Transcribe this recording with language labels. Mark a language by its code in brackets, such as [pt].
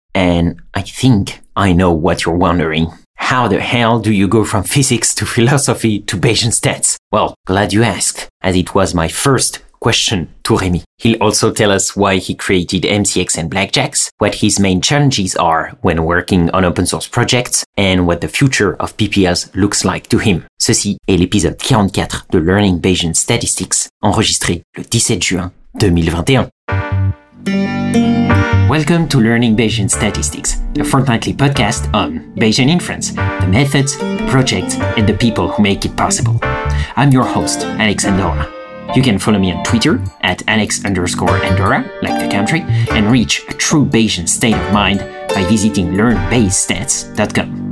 [en] And I think I know what you're wondering. How the hell do you go from physics to philosophy to Bayesian stats? Well, glad you asked, as it was my first question to Rémi. He'll also tell us why he created MCX and Blackjacks, what his main challenges are when working on open source projects, and what the future of PPLs looks like to him. [fr] Ceci est l'épisode 44 de Learning Bayesian Statistics, enregistré le 17 juin 2021. [en] Welcome to Learning Bayesian Statistics, a fortnightly podcast on Bayesian inference, the methods, the projects, and the people who make it possible. I'm your host, Alex Andorra. You can follow me on Twitter at alex_andorra, like the country, and reach a true Bayesian state of mind by visiting learnbayesstats.com.